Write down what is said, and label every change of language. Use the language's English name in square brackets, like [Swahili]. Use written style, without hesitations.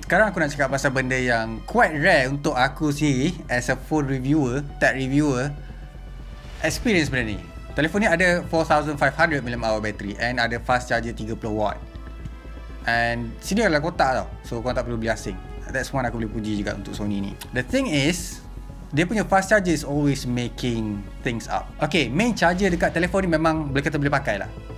[Malay] Sekarang aku nak cakap pasal benda yang quite rare untuk aku sendiri [English] as a phone reviewer, tech reviewer, [Malay] experience benda ni. Telefon ni ada 4500mAh battery and ada fast charger 30W. And sini adalah kotak tau. So korang tak perlu beli asing. [English] That's one [Malay] aku boleh puji juga untuk Sony ni. [English] The thing is, [Malay] dia punya [English] fast charger is always making things up. [Malay] Okay, main charger dekat telefon ni memang boleh kata boleh pakai lah.